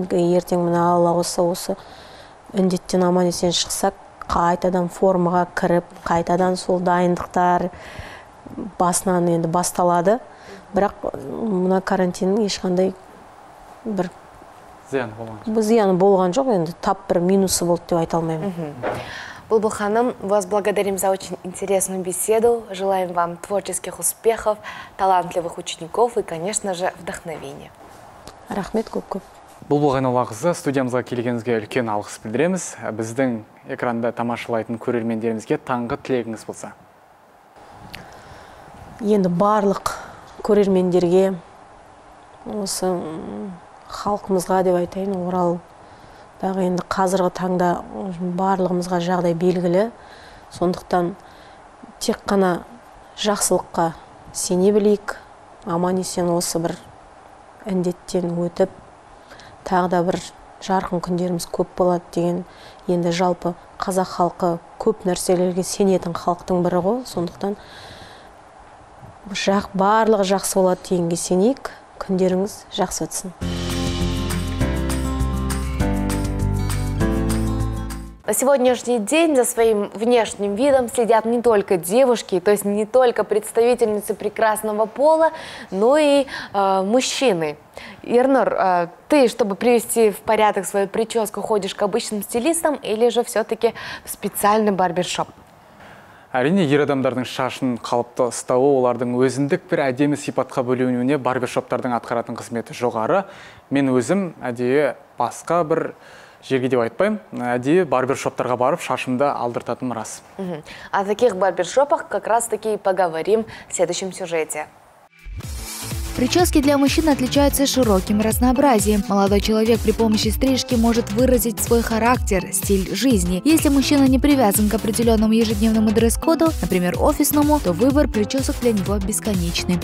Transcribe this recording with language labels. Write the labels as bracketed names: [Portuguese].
[Kazakh] Енді ертең мына алла қосса осы індеттен аман есен шықсақ, қайтадан формаға кіріп, қайтадан сол дайындықтар басынан енді басталады. Бірақ мына карантиннің ешқандай бір зияны болған жоқ, енді тап бір минусы болды деп айта алмаймын. [Russian] Бұлбұл ханым, вас благодарим за очень интересную беседу. Желаем вам творческих успехов, талантливых учеников и, конечно же, вдохновения. [Kazakh] Рахмет көп-көп. Бұлбұл ханымға, студиямызға келгеніңізге үлкен алғыс білдіреміз. Біздің экранда тамашалайтын көрермендерімізге таңғы тілегіңіз болса. Енді барлық көрермендерге, осы халқымызға деп айтайын, Оралдағы енді қазіргі таңда барлығымызға жағдай белгілі. Сондықтан тек қана жақсылыққа сене білейік, аман есен осы бір індеттен өтіп, тағы да бір жарқын күндеріміз көп болады деген. Енді жалпы қазақ халқы көп нәрселерге сенетін халықтың бірі ғой. Сондықтан барлығы жақсы болады дегенге сенейік. Күндеріңіз жақсы өтсін. [Russian] На сегодняшний день за своим внешним видом следят не только девушки, то есть не только представительницы прекрасного пола, но и мужчины. Ернур, ты, чтобы привести в порядок свою прическу, ходишь к обычным стилистам или же все-таки в специальный барбершоп? [Kazakh] Әрине, ер адамдардың шашын қалыпты ұстауы олардың өзіндік бір әдемі сипатқа бөлуіне барбершоптардың атқаратын қызметі жоғары. Мен өзім әдейі басқа бір жерге деп айтпаймын, әдейі барбершоптарға барып шашымды алдыртатыным рас. [Russian] О таких барбершопах как раз таки поговорим в следующем сюжете. Прически для мужчин отличаются широким разнообразием. Молодой человек при помощи стрижки может выразить свой характер, стиль жизни. Если мужчина не привязан к определенному ежедневному дресс-коду, например, офисному, то выбор причесок для него бесконечный.